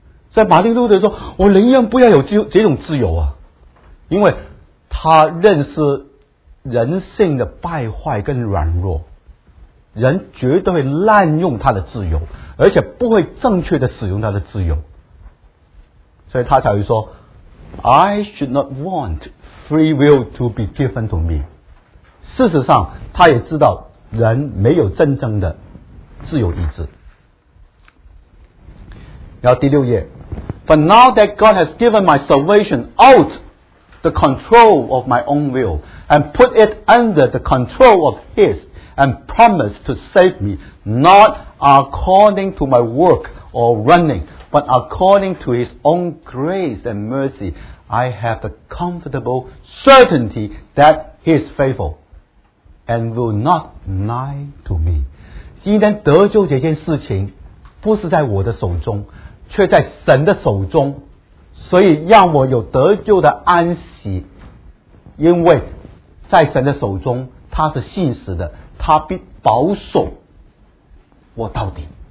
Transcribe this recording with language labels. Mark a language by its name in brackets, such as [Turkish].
[Chinese] 所以马丁路德说，我宁愿不要有这种自由啊，因为他认识人性的败坏跟软弱，人绝对会滥用他的自由，而且不会正确的使用他的自由。所以他才会说 [English] I should not want free will to be given to me。 [Chinese] 事实上他也知道人没有真正的自由意志。然后第六页 [English] But now that God has given my salvation outThe control of my own will and put it under the control of his and promised to save me not according to my work or running but according to his own grace and mercy I have the comfortable certainty that he is faithful and will not lie to me。 [Chinese] 今天得救这件事情不是在我的手中，却在神的手中，所以让我有得救的安息，因为在神的手中，他是信实的，他必保守我到底。